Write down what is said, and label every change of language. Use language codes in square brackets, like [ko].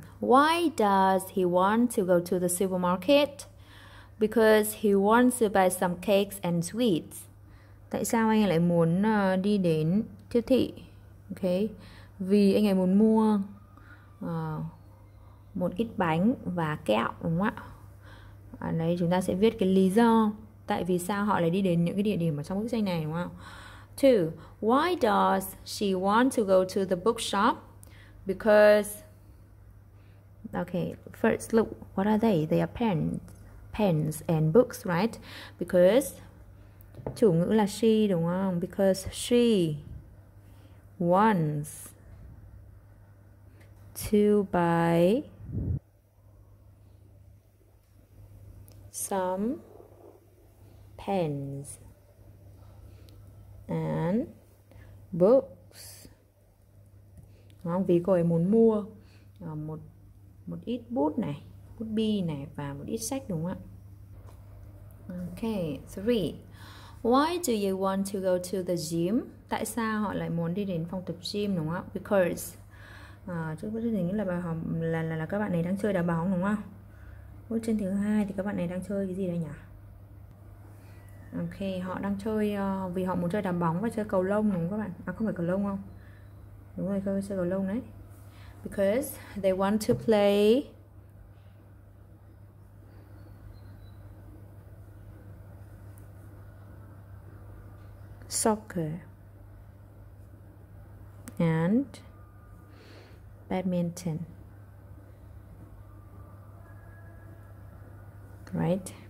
[en] Why does he want to go to the supermarket? Because he wants to buy some cakes and sweets. [vi] Tại sao anh lại muốn đi đến siêu thị? Okay. Vì anh ấy muốn mua một ít bánh và kẹo, đúng không ạ? Ở đây chúng ta sẽ viết cái lý do tại vì sao họ lại đi đến những cái địa điểm ở trong bức tranh này, đúng không? 2. [en] Why does she want to go to the bookshop? Because okay, first look, what are they? They are pens and books, right? [vi] Because chủ ngữ là she, đúng không? [en] Because she wants to buy some pens and books. [vi] Vì cô ấy muốn mua một ít bút này, bút bi này và một ít sách, đúng không ạ? [en] Okay, 3. Why do you want to go to the gym? [vi] Tại sao họ lại muốn đi đến phòng tập gym, đúng không ạ? Because trước bức tranh là các bạn này đang chơi đá bóng, đúng không? Bức tranh thứ hai thì các bạn này đang chơi cái gì đây nhỉ? Okay, họ đang chơi vì họ muốn chơi đá bóng và chơi cầu lông, đúng không các bạn? À, không phải cầu lông không? Đúng rồi, các bạn chơi cầu lông đấy. [en] Because they want to play soccer and badminton, right?